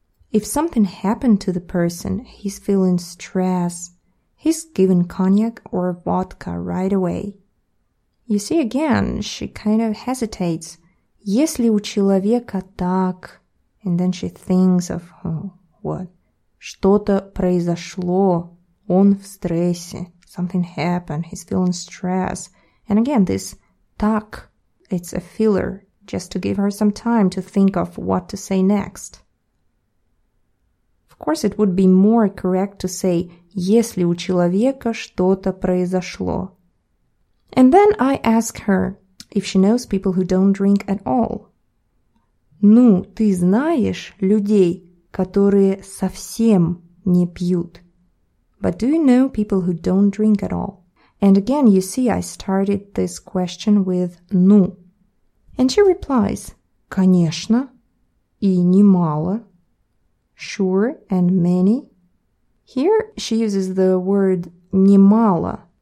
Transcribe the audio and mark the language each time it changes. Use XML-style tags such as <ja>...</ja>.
<en>If something happened to the person, he's feeling stress, he's given cognac or vodka right away. You see again, she kind of hesitates.</en> <ru>Если у человека так,</ru> <en>and then she thinks of, oh, what?</en> <ru>Что-то произошло, он в стрессе.</ru> <en>Something happened, he's feeling stress. And again, this так, it's a filler, just to give her some time to think of what to say next. Of course, it would be more correct to say,</en> <ru>если у человека что-то произошло.</ru> <en>And then I ask her if she knows people who don't drink at all.</en> <ru>Ну, ты знаешь людей, которые совсем не пьют?</ru> <en>But do you know people who don't drink at all? And again, you see, I started this question with ну. And she replies,</en> <ru>конечно, и немало.</ru> <en>Sure and many. Here she uses the word немало.</en>